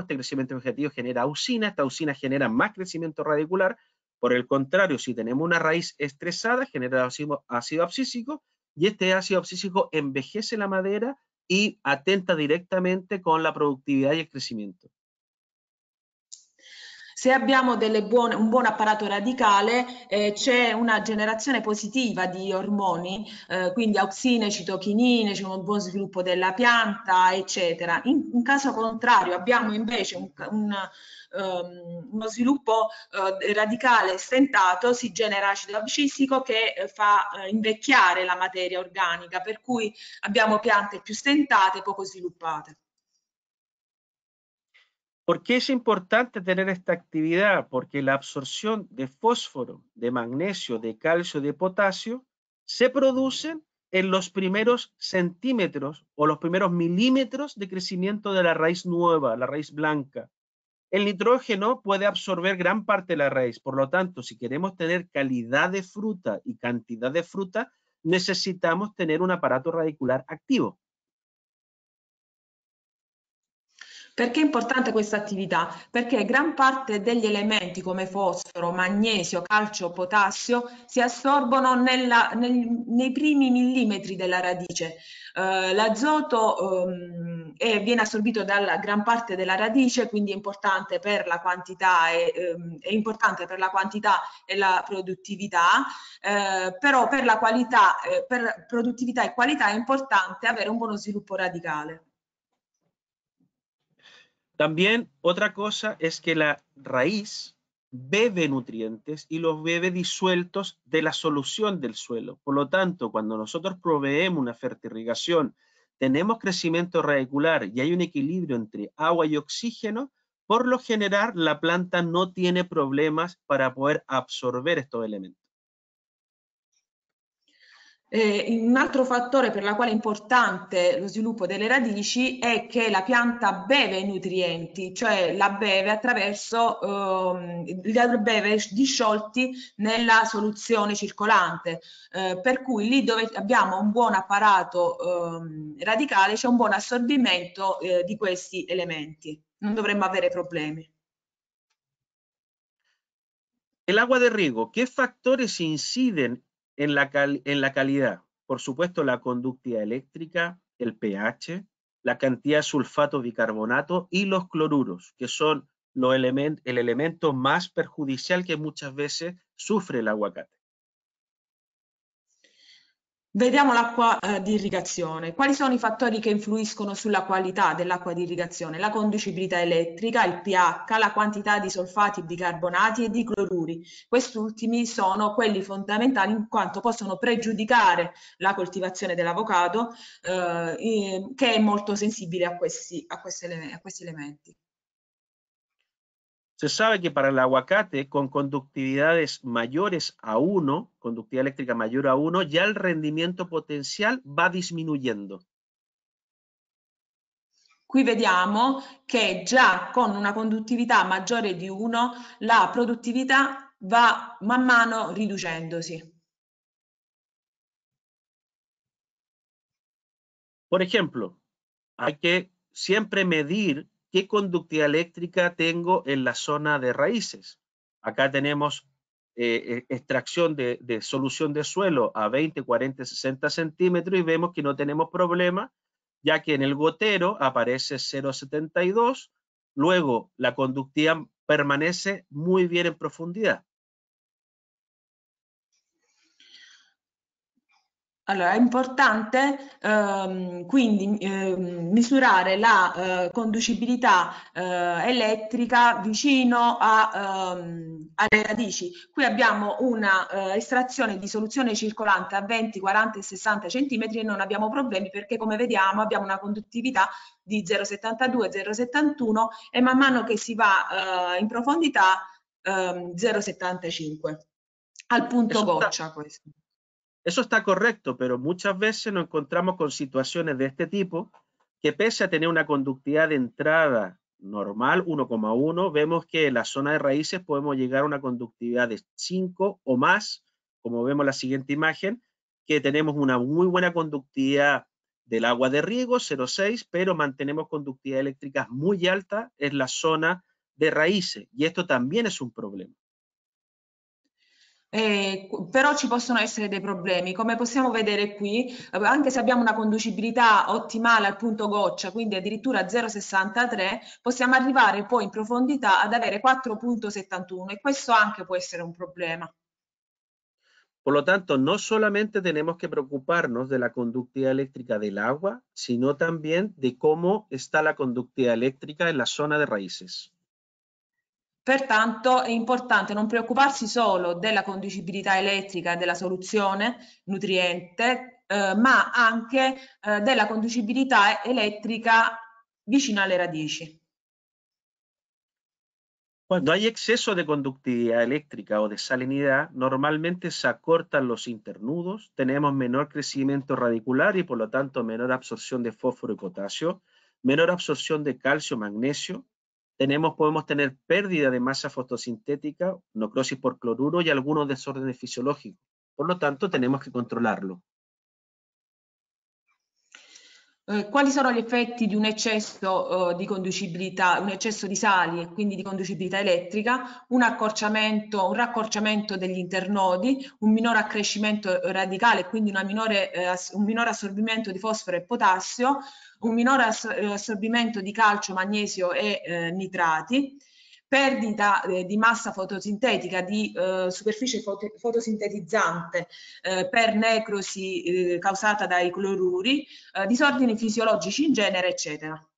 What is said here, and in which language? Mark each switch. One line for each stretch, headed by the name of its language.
Spanish: Este crecimiento vegetativo genera auxina, esta auxina genera más crecimiento radicular. Por el contrario, si tenemos una raíz estresada, genera ácido abscísico y este ácido abscísico envejece la madera y atenta directamente con la productividad y el crecimiento.
Italian: Se abbiamo un buon apparato radicale, c'è una generazione positiva di ormoni, quindi auxine, citochinine, c'è un buon sviluppo della pianta, eccetera. In caso contrario, abbiamo invece uno sviluppo radicale stentato, si genera acido abscisico che fa invecchiare la materia organica, per cui abbiamo piante più stentate, poco sviluppate.
Spanish: ¿Por qué es importante tener esta actividad? Porque la absorción de fósforo, de magnesio, de calcio, de potasio se producen en los primeros centímetros o los primeros milímetros de crecimiento de la raíz nueva, la raíz blanca. El nitrógeno puede absorber gran parte de la raíz. Por lo tanto, si queremos tener calidad de fruta y cantidad de fruta, necesitamos tener un aparato radicular activo.
Italian: Perché è importante questa attività? Perché gran parte degli elementi come fosforo, magnesio, calcio, potassio si assorbono nei primi millimetri della radice. L'azoto viene assorbito dalla gran parte della radice, quindi è importante per la quantità e la produttività, però per la qualità, per produttività e qualità è importante avere un buono sviluppo radicale.
Spanish: También otra cosa es que la raíz bebe nutrientes y los bebe disueltos de la solución del suelo. Por lo tanto, cuando nosotros proveemos una fertirrigación, tenemos crecimiento radicular y hay un equilibrio entre agua y oxígeno, por lo general la planta no tiene problemas para poder absorber estos elementos.
Italian: Un altro fattore per la quale è importante lo sviluppo delle radici è che la pianta beve nutrienti, cioè la beve attraverso, li beve disciolti nella soluzione circolante, per cui lì dove abbiamo un buon apparato radicale c'è un buon assorbimento di questi elementi, non dovremmo avere problemi.
Spanish: El agua de riego, ¿qué factores inciden en la calidad? Por supuesto, la conductividad eléctrica, el pH, la cantidad de sulfato bicarbonato y los cloruros, que son el elemento más perjudicial que muchas veces sufre el aguacate.
Italian: Vediamo l'acqua di irrigazione. Quali sono i fattori che influiscono sulla qualità dell'acqua di irrigazione? La conducibilità elettrica, il pH, la quantità di solfati bicarbonati e di cloruri. Questi ultimi sono quelli fondamentali in quanto possono pregiudicare la coltivazione dell'avocado, che è molto sensibile a questi elementi.
Spanish: Se sabe que para el aguacate con conductividades mayores a 1, conductividad eléctrica mayor a 1, ya el rendimiento potencial va disminuyendo.
Italian: Qui vediamo che già con una conduttività maggiore di 1 la produttività va man mano riducendosi.
Spanish: Por ejemplo, hay que siempre medir ¿qué conductividad eléctrica tengo en la zona de raíces? Acá tenemos extracción de solución de suelo a 20, 40, 60 centímetros y vemos que no tenemos problema, ya que en el gotero aparece 0,72, luego la conductividad permanece muy bien en profundidad.
Italian: Allora, è importante quindi misurare la conducibilità elettrica vicino alle radici. Qui abbiamo una estrazione di soluzione circolante a 20, 40 e 60 centimetri e non abbiamo problemi perché, come vediamo, abbiamo una conduttività di 0,72, 0,71 e man mano che si va in profondità 0,75 al punto goccia questo.
Spanish: Eso está correcto, pero muchas veces nos encontramos con situaciones de este tipo que pese a tener una conductividad de entrada normal, 1,1, vemos que en la zona de raíces podemos llegar a una conductividad de 5 o más, como vemos en la siguiente imagen, que tenemos una muy buena conductividad del agua de riego, 0,6, pero mantenemos conductividad eléctrica muy alta en la zona de raíces y esto también es un problema.
Italian: Però ci possono essere dei problemi, come possiamo vedere qui, anche se abbiamo una conducibilità ottimale al punto goccia, quindi addirittura 0,63, possiamo arrivare poi in profondità ad avere 4,71 e questo anche può essere un problema.
Spanish: Por lo tanto, no solamente tenemos que preocuparnos de la conductividad eléctrica del agua, sino también de cómo está la conductividad eléctrica en la zona de raíces.
Italian: Pertanto è importante non preoccuparsi solo della conducibilità elettrica e della soluzione nutriente, ma anche della conducibilità elettrica vicino alle radici.
Spanish: Quando hay exceso de conductividad eléctrica o de salinidad, normalmente se acortan los internudos, tenemos menor crecimiento radicular y por lo tanto menor absorción de fósforo y potasio, menor absorción de calcio, magnesio, podemos tener pérdida de masa fotosintética, necrosis por cloruro y algunos desórdenes fisiológicos. Por lo tanto, tenemos que controlarlo.
Italian: Quali sono gli effetti di un eccesso di conducibilità, un eccesso di sali e quindi di conducibilità elettrica? Un raccorciamento degli internodi, un minore accrescimento radicale, quindi un minore assorbimento di fosforo e potassio, un minore assorbimento di calcio, magnesio e nitrati, perdita di massa fotosintetica, di superficie fotosintetizzante per necrosi causata dai cloruri, disordini fisiologici in genere, eccetera.